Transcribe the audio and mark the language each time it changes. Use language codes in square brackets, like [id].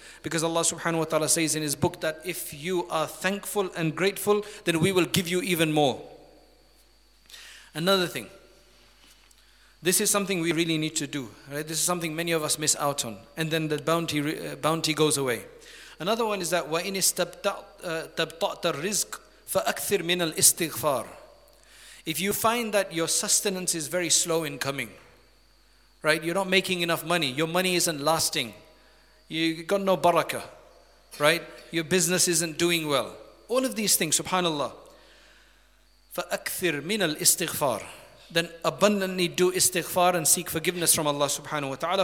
[en] Because Allah subhanahu wa ta'ala says in his book that if you are thankful and grateful, then we will give you even more. Another thing, this is something we really need to do, right? This is something many of us miss out on, and then the bounty goes away. Another one is that [ar] وَإِنِ اسْتَبْطَعْتَ الرِّزْقِ فَأَكْثِرْ مِنَ الْإِسْتِغْفَارِ. [en] If you find that your sustenance is very slow in coming, right? You're not making enough money. Your money isn't lasting. You got no barakah, right? Your business isn't doing well. All of these things, subhanAllah. [ar] فَأَكْثِرْ مِنَ الْإِسْتِغْفَارِ. [en] Then abundantly do istighfar and seek forgiveness from Allah subhanahu wa ta'ala.